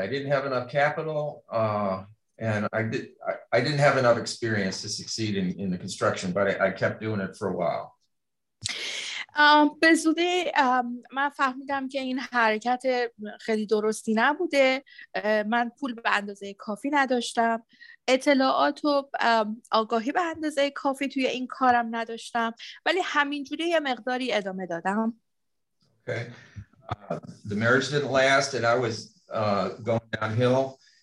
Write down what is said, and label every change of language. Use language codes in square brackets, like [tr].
[en] I didn't have enough capital and I didn't have enough experience to succeed in the construction, but I kept doing it for a while. [fa] به زودی من فهمیدم که این حرکت خیلی درستی نبوده. من پول به اندازه کافی نداشتم, اطلاعات و آگاهی به اندازه کافی توی این کارم نداشتم, ولی همینجوری یه مقداری ادامه دادم. [en] Okay. The marriage didn't last and I was going downhill.